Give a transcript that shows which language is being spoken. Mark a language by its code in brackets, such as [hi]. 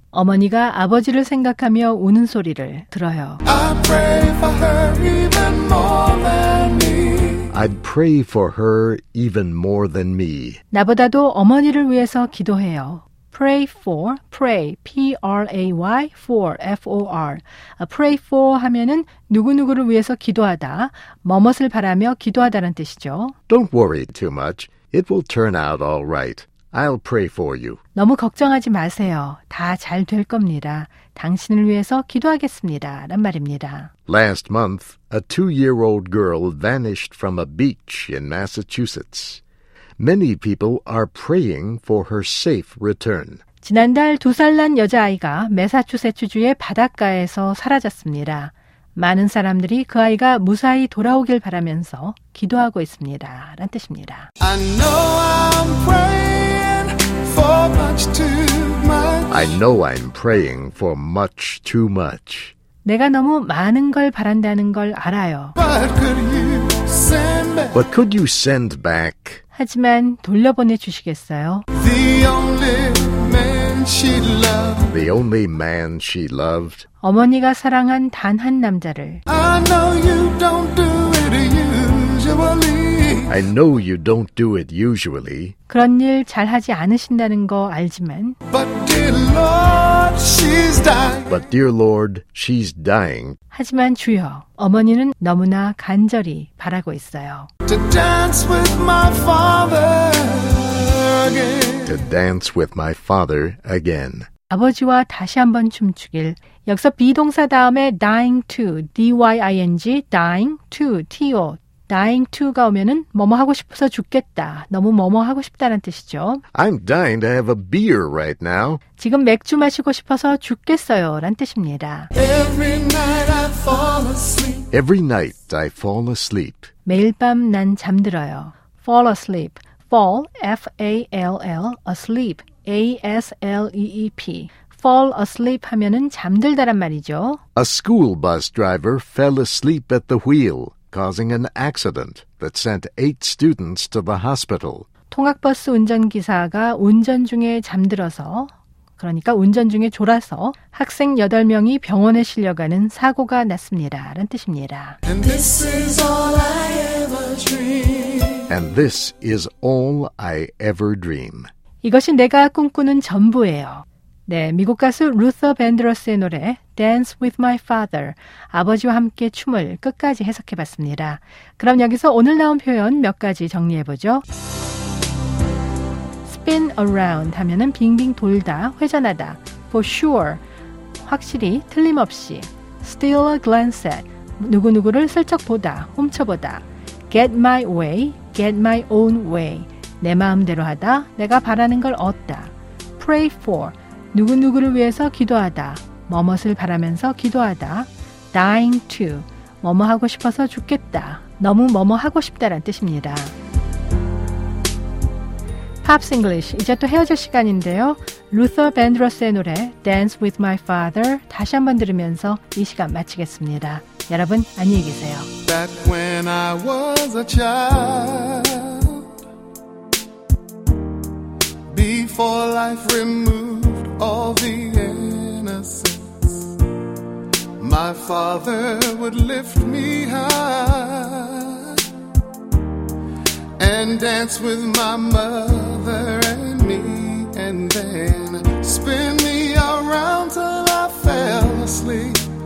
[ko] 어머니가 아버지를 생각하며 우는 소리를 들어요. [en] I pray for her even more than me. I'd pray for her even more than me. [ko] 나보다도 어머니를 위해서 기도해요. [en] Pray for, pray, P-R-A-Y, for, F-O-R. [ko] Pray for 하면은 누구누구를 위해서 기도하다, 뭐뭇을 바라며 기도하다는 뜻이죠. [en] Don't worry too much. It will turn out all right. I'll pray for you. [ko] 너무 걱정하지 마세요. 다 잘 될 겁니다. 당신을 위해서 기도하겠습니다. 란 말입니다. [en] Last month, a two-year-old girl vanished from a beach in Massachusetts. Many people are praying for her safe return. [ko] 지난달 두 살 난 여자아이가 매사추세츠주의 바닷가에서 사라졌습니다. 많은 사람들이 그 아이가 무사히 돌아오길 바라면서 기도하고 있습니다. 란 뜻입니다. [en] I know I'm praying for much too much. I know I'm praying for much too much. [ko] 내가 너무 많은 걸 바란다는 걸 알아요. [en] But could you send back? But could you send back? [ko] 하지만 돌려보내 주시겠어요? [en] The only man she loved. The only man she loved. [ko] 어머니가 사랑한 단 한 남자를. [en] I know you don't do it usually. I know you don't do it usually. [ko] 그런 일 잘 하지 않으신다는 거 알지만. [en] But dear Lord, she's dying. But dear Lord, she's dying. [ko] 하지만 주여, 어머니는 너무나 간절히 바라고 있어요. [en] To dance with my father again. To dance with my father again. 아버지와 다시 한번 춤추길. [ko] 여기서 비동사 다음에 dying to, D-Y-I-N-G, dying to, T-O. Dying to가 오면은 뭐뭐 하고 싶어서 죽겠다. 너무 뭐뭐 하고 싶다는 뜻이죠. [en] I'm dying to have a beer right now. [ko] 지금 맥주 마시고 싶어서 죽겠어요. 라는 뜻입니다. [en] Every night I fall asleep. Every night I fall asleep. [ko] 매일 밤 난 잠들어요. [en] Fall asleep. Fall, F-A-L-L, asleep, A-S-L-E-E-P. [ko] Fall asleep 하면은 잠들다란 말이죠. [en] A school bus driver fell asleep at the wheel. Causing an accident that sent eight students to the hospital. [ko] 통학버스 운전기사가 운전 중에 잠들어서, 그러니까 운전 중에 졸아서 학생 8명이 병원에 실려가는 사고가 났습니다. 라는 뜻입니다. [en] And this is all I ever dream. And this is all I ever dream. [ko] 이것이 내가 꿈꾸는 전부예요. 네, 미국 가수 루서 벤드러스의 노래 Dance with my father, 아버지와 함께 춤을 끝까지 해석해봤습니다. 그럼 여기서 오늘 나온 표현 몇 가지 정리해보죠. Spin around 하면은 빙빙 돌다, 회전하다. [en] For sure, [ko] 확실히, 틀림없이. [en] Steal a glance at, [ko] 누구누구를 슬쩍 보다, 훔쳐보다. [en] Get my way, get my own way, [ko] 내 마음대로 하다, 내가 바라는 걸 얻다. Pray for, 누구누구를 위해서 기도하다, 뭐뭇을 바라면서 기도하다. Dying to, 뭐뭐 하고 싶어서 죽겠다, 너무 뭐뭐 하고 싶다란 뜻입니다. 팝스 잉글리시 이제 또 헤어질 시간인데요. 루터 밴드러스의 노래 Dance with my father 다시 한번 들으면서 이 시간 마치겠습니다. 여러분 안녕히 계세요. [en] Back when I was a child Before life removed all the innocence My father would lift me high And dance with my mother and me And then spin me around till I fell asleep